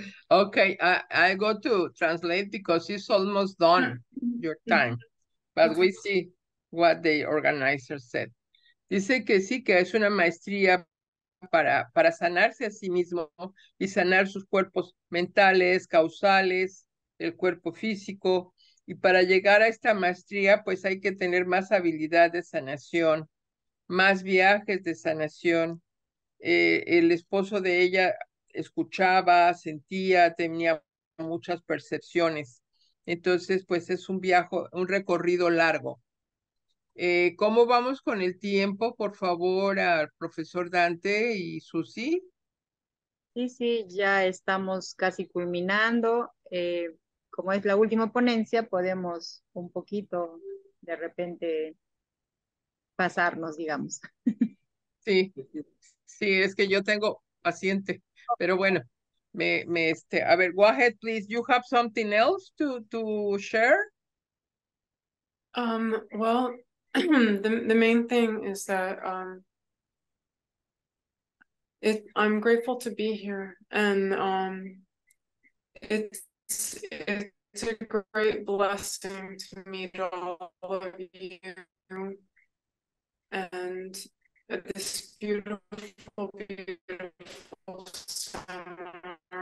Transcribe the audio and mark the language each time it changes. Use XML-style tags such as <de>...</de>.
<en>Okay, I go to translate because it's almost done your time. But we see what the organizer said.</en> <es>Dice que sí, que es una maestría para sanarse a sí mismo y sanar sus cuerpos mentales, causales, el cuerpo físico. Y para llegar a esta maestría, pues hay que tener más habilidad de sanación, más viajes de sanación. El esposo de ella escuchaba, sentía, tenía muchas percepciones. Entonces, pues es un viaje, un recorrido largo. ¿Cómo vamos con el tiempo, por favor, al profesor Dante y Susi? Sí, sí, ya estamos casi culminando. Como es la última ponencia, podemos un poquito de repente pasarnos, digamos. Sí, sí, es que yo tengo paciente, pero bueno, me a ver,</es> <en>go ahead, please. You have something else to share? Well, the main thing is that I'm grateful to be here, and it's a great blessing to meet all of you and this beautiful, beautiful seminar.</en>